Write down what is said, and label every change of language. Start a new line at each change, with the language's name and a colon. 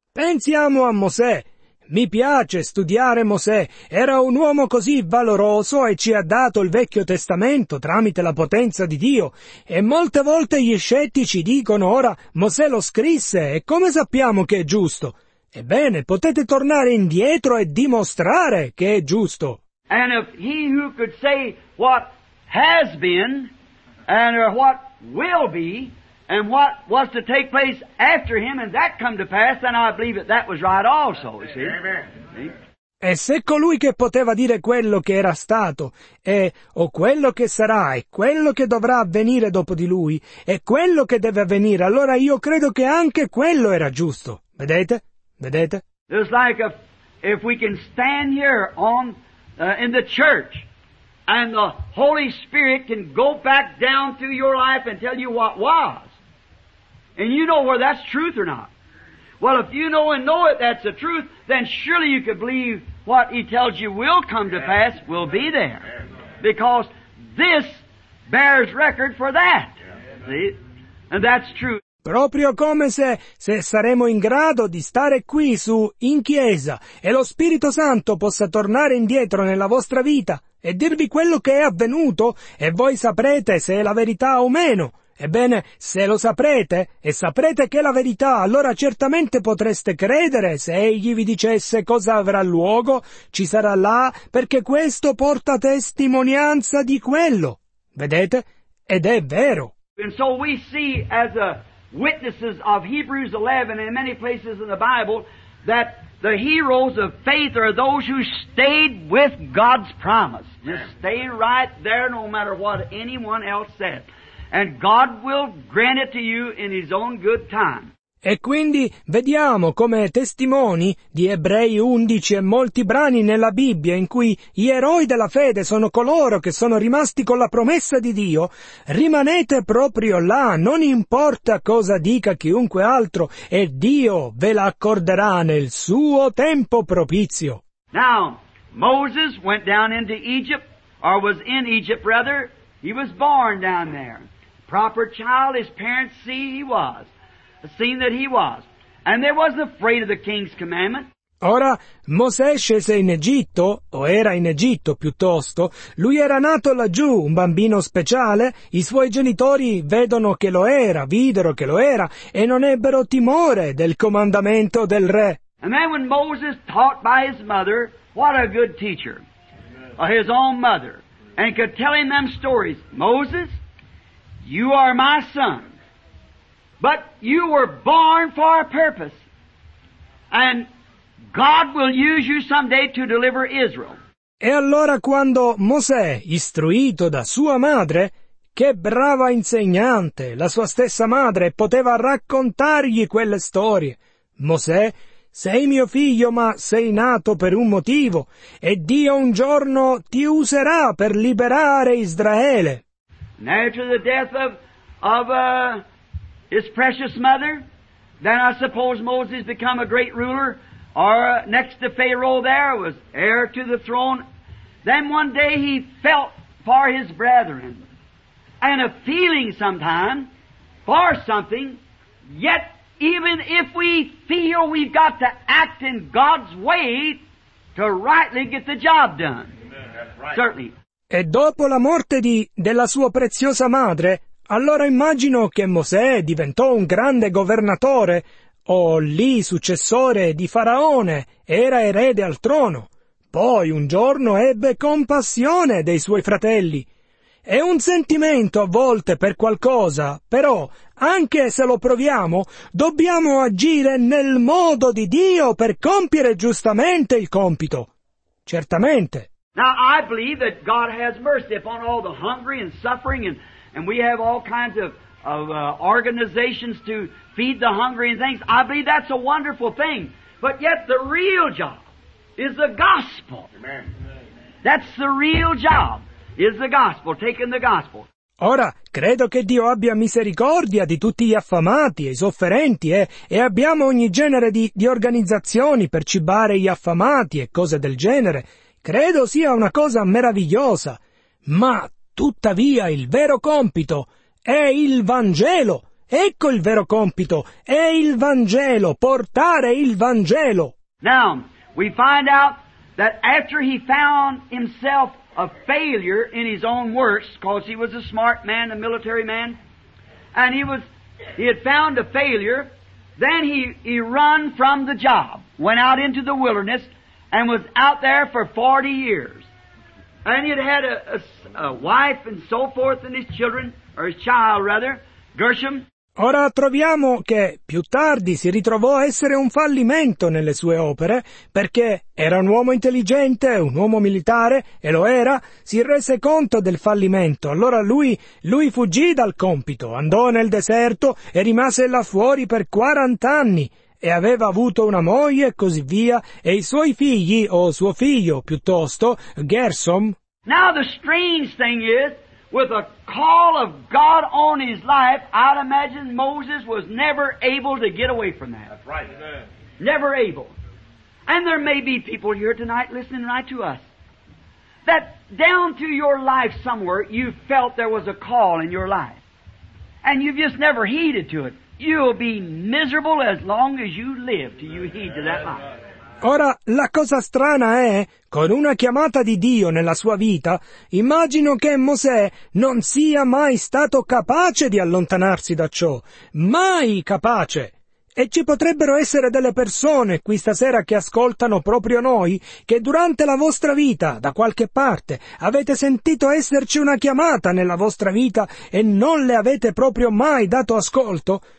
Italian: Pensiamo a Mosè. Mi piace studiare Mosè. Era un uomo così valoroso e ci ha dato il Vecchio Testamento tramite la potenza di Dio. E molte volte gli scettici dicono ora, Mosè lo scrisse e come sappiamo che è giusto? Ebbene, potete tornare indietro e dimostrare che è giusto.
English: And if he who could say what has been, and or what will be, and what was to take place after him, and that come to pass, then I believe that that was right also, you see? Amen.
Italian: E se colui che poteva dire quello che era stato, e o quello che sarà, e quello che dovrà avvenire dopo di lui, e quello che deve avvenire, allora io credo che anche quello era giusto. Vedete? Vedete?
English: It's like if we can stand here on in the church, and the Holy Spirit can go back down through your life and tell you what was. And you know whether that's truth or not. Well, if you know and know it, that's the truth, then surely you can believe what He tells you will come to pass will be there. Because this bears record for that. See? And that's true.
Italian: Proprio come se saremo in grado di stare qui su in chiesa e lo Spirito Santo possa tornare indietro nella vostra vita e dirvi quello che è avvenuto e voi saprete se è la verità o meno. Ebbene, se lo saprete, e saprete che è la verità, allora certamente potreste credere se egli vi dicesse cosa avrà luogo, ci sarà là, perché questo porta testimonianza di quello. Vedete? Ed è vero.
English: And so we see as a witnesses of Hebrews 11 in many places in the Bible that the heroes of faith are those who stayed with God's promise. Just stay right there no matter what anyone else said. And God will grant it to you in His own good time.
Italian: E quindi vediamo come testimoni di Ebrei 11 e molti brani nella Bibbia in cui gli eroi della fede sono coloro che sono rimasti con la promessa di Dio, rimanete proprio là, non importa cosa dica chiunque altro, e Dio ve la accorderà nel suo tempo propizio.
English: Now, Moses went down into Egypt, or was in Egypt rather, he was born down there. Proper child, his parents see he was, seen that he was, and they wasn't afraid of the king's commandment.
Italian: Ora, Mosè scese in Egitto, o era in Egitto piuttosto, lui era nato laggiù, un bambino speciale, i suoi genitori vedono che lo era, videro che lo era, e non ebbero timore del comandamento del re.
English: And then when Moses taught by his mother, what a good teacher, his own mother, and could tell him them stories, Moses, You are my son. But you were born for a purpose. And God will use you someday to deliver Israel.
Italian: E allora quando Mosè, istruito da sua madre, che brava insegnante, la sua stessa madre, poteva raccontargli quelle storie. Mosè, sei mio figlio, ma sei nato per un motivo, e Dio un giorno ti userà per liberare Israele.
English: After the death of his precious mother, then I suppose Moses became a great ruler, or next to Pharaoh there was heir to the throne. Then one day he felt for his brethren, and a feeling sometime for something, yet even if we feel we've got to act in God's way to rightly get the job done. Right. Certainly.
Italian: E dopo la morte della sua preziosa madre, allora immagino che Mosè diventò un grande governatore, o lì successore di Faraone, era erede al trono. Poi un giorno ebbe compassione dei suoi fratelli. È un sentimento a volte per qualcosa, però, anche se lo proviamo, dobbiamo agire nel modo di Dio per compiere giustamente il compito. Certamente.
English: Now I believe that God has mercy upon all the hungry and suffering, and we have all kinds of organizations to feed the hungry and things. I believe that's a wonderful thing. But yet the real job is the gospel. Amen. That's the real job, is the gospel, taking the gospel.
Italian: Ora, credo che Dio abbia misericordia di tutti gli affamati e i sofferenti, e abbiamo ogni genere di organizzazioni per cibare gli affamati e cose del genere. Credo sia una cosa meravigliosa. Ma, tuttavia, il vero compito è il Vangelo. Ecco il vero compito, è il Vangelo, portare il Vangelo.
English: Now, we find out that after he found himself a failure in his own works, because he was a smart man, a military man, and he had found a failure, then he run from the job, went out into the wilderness, and was out there for 40 years. And he had a wife and so forth, and his children, or his child rather, Gershom.
Italian: Ora troviamo che più tardi si ritrovò a essere un fallimento nelle sue opere, perché era un uomo intelligente, un uomo militare, e lo era, si rese conto del fallimento, allora lui fuggì dal compito, andò nel deserto e rimase là fuori per 40 anni, e aveva avuto una moglie e così via, e i suoi figli, o suo figlio piuttosto, Gershom.
English: Now the strange thing is, with a call of God on his life, I'd imagine Moses was never able to get away from that. That's right. Never able. And there may be people here tonight listening right to us, that down through your life somewhere you felt there was a call in your life, and you've just never heeded to it. You'll be miserable as long as you live till you heed to that life.
Italian: Ora, la cosa strana è, con una chiamata di Dio nella sua vita, immagino che Mosè non sia mai stato capace di allontanarsi da ciò. Mai capace! E ci potrebbero essere delle persone qui stasera che ascoltano proprio noi, che durante la vostra vita, da qualche parte, avete sentito esserci una chiamata nella vostra vita e non le avete proprio mai dato ascolto?